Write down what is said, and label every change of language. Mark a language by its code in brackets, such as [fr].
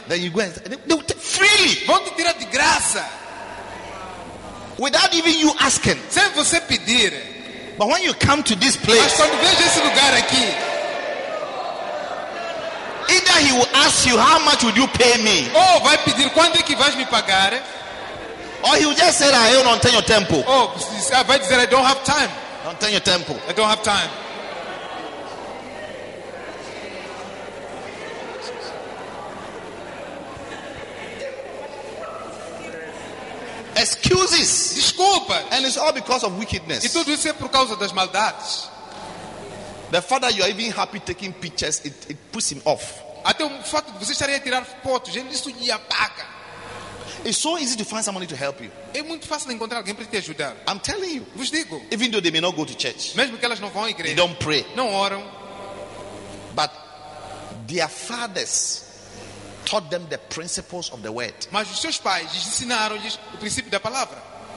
[en] Then you go and they will take freely. [pt] Vão te tirar de graça. [en] Without even you asking. [pt] Sem você pedir. [en] But when you come to this place. [pt] Mas quando vejo esse lugar aqui. [en] Either he will ask you how much would you pay me? [pt] Oh, vai pedir quando é que vais me pagar? [en] Or he will just say, ah, [pt] eu não tenho tempo. Oh, vai dizer, [en] I don't have time. [pt] Não tenho tempo. [en] I don't have time. Excuses. [pt] Desculpas. [en] And it's all because of wickedness. [pt] E tudo isso é por causa das maldades. [en] The fact that you are even happy taking pictures, it puts him off. [pt] Até o fato de você estar a tirar fotos, ele isso lhe apaga. [en] It's so easy to find somebody to help you. [pt] É muito fácil encontrar alguém para te ajudar. [en] I'm telling you. [pt] Vos digo. [en] Even though they may not go to church. [pt] Mesmo que elas não vão à igreja. [en] They don't pray. [pt] Não oram. [en] But their fathers taught them the principles of the word. [pt] Mas os seus pais lhes ensinaram-lhes o princípio da palavra.